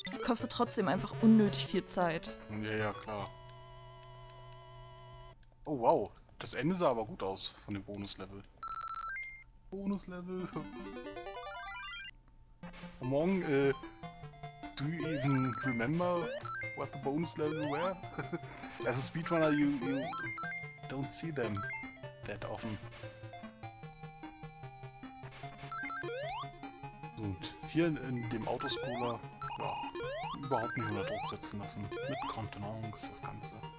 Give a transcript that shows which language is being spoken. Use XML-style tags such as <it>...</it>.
<de>kostet trotzdem einfach unnötig viel Zeit. Ja, ja, klar. Oh, wow. Das Ende sah aber gut aus von dem Bonuslevel. Bonuslevel.</de> <en>Among, do you even remember what the bonus level were? As a speedrunner, you don't see them that often.</en> <de>Und hier in dem Autoscroller, ja, überhaupt nicht unter Druck setzen lassen. Mit Contenance, das Ganze.</de>